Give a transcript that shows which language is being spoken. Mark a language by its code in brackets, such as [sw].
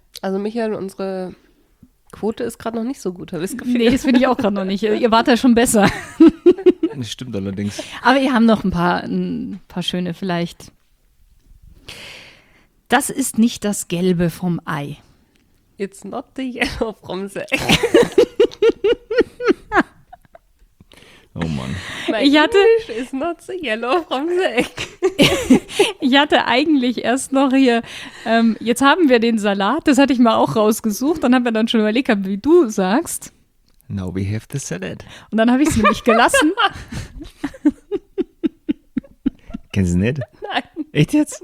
[de] Also Michael, unsere Quote ist gerade noch nicht so gut, habe ich das Gefühl. Nee, das finde ich auch gerade noch nicht. Ihr wart ja schon besser. Das stimmt allerdings. Aber ihr habt noch ein paar schöne vielleicht. Das ist nicht das Gelbe vom Ei. [en] It's not the yellow from the egg. [de] Oh Mann. [en] My English is not the yellow from the egg. [de] Ich hatte eigentlich erst noch hier, jetzt haben wir den Salat, das hatte ich mir auch rausgesucht. Dann haben wir dann schon überlegt, wie du sagst. [en] Now we have the salad. [de] Und dann habe ich es nämlich gelassen. Kennst du nicht? Nein. Echt jetzt?